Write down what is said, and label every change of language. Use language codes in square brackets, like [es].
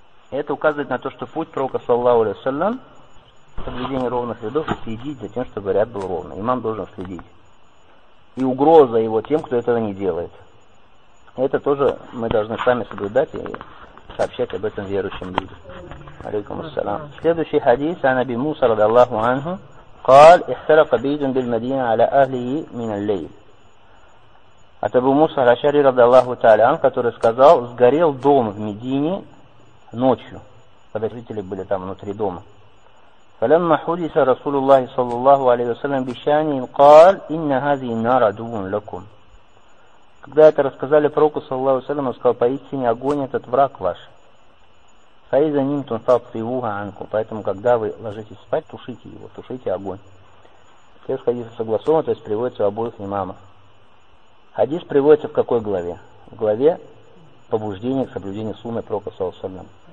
[ru] Это указывает на то, что путь пророка саллаллаху алейхи ва саллям, соблюдение ровных рядов, следить за тем, чтобы ряд был ровный. Имам должен следить. И угроза его тем, кто этого не делает. Это тоже мы должны сами соблюдать и сообщать об этом верующим людям. Алейкум ассалам. Следующий хадис о Наби Муса радиаллаху анху. [ar] قال: احترق بيت بالمدينة على أهله من الليل. [ru] от Абу Муса аш-Ашари радиаллаху тааля анху, который сказал, сгорел дом в Медине ночью, когда жители были там внутри дома. [ar] فلما حدث رسول الله صلى الله عليه وسلم بشأنه قال إن هذه النار عدو لكم. [ru] Когда это рассказали пророку [ar] صلى الله عليه وسلم, [ru] он сказал, поистине огонь этот враг ваш. [ar] فإذا نمتم فاطفئوه عنكم. [ru] Поэтому, когда вы ложитесь спать, тушите его, тушите огонь. Текст хадиса согласован, то есть приводится в обоих имамов. Хадис приводится в какой главе? В главе побуждения к соблюдению сунны пророка [ar] صلى الله عليه وسلم.